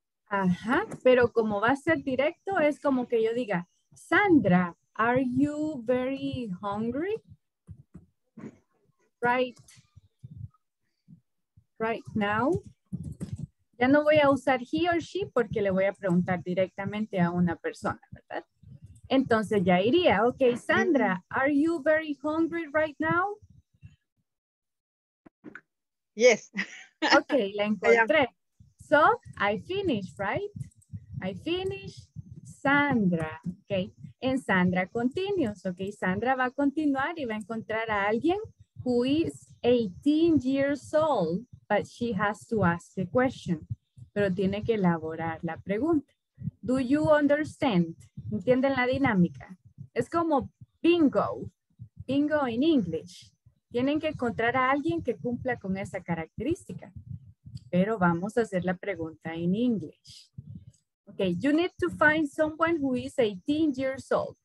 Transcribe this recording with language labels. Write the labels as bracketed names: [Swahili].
[Spanish] Ajá, pero como va a ser directo, es como que yo diga, Sandra, [English] are you very hungry? Right now. [Spanish] Ya no voy a usar [English] he or she [Spanish] porque le voy a preguntar directamente a una persona, ¿verdad? Entonces ya iría. [English] Ok, Sandra, are you very hungry right now? Yes. Ok, [Spanish] la encontré. [English] So, I finish, right? I finish, Sandra. Ok, and Sandra continues. [Spanish] Ok, Sandra va a continuar y va a encontrar a alguien [English] who is 18 years old. But she has to ask the question. [Spanish] Pero tiene que elaborar la pregunta. [English] Do you understand? [Spanish] ¿Entienden la dinámica? Es como bingo. [English] Bingo in English. [Spanish] Tienen que encontrar a alguien que cumpla con esa característica. Pero vamos a hacer la pregunta [English] in English. Okay, you need to find someone who is 18 years old.